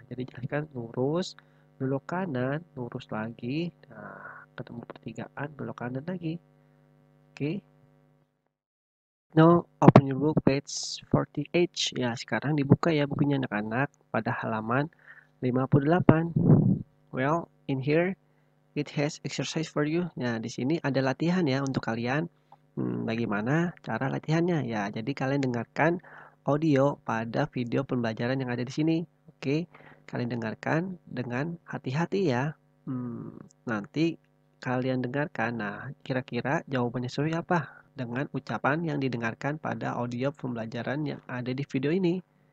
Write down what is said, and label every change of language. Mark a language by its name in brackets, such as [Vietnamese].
[Indonesian] Jadi jelaskan lurus, belok kanan, lurus lagi, nah, ketemu pertigaan, belok kanan lagi. Oke. [English] Now open your book page 48. [Indonesian] Ya, sekarang dibuka ya bukunya anak-anak pada halaman 58. [English] Well, in here it has exercise for you. [Indonesian] Nah, di sini ada latihan ya untuk kalian. Bagaimana cara latihannya? Ya, jadi kalian dengarkan audio pada video pembelajaran yang ada di sini. Oke, kalian dengarkan dengan hati-hati ya. Nanti kalian dengarkan. Nah, kira-kira jawabannya sesuai apa dengan ucapan yang didengarkan pada audio pembelajaran yang ada di video ini?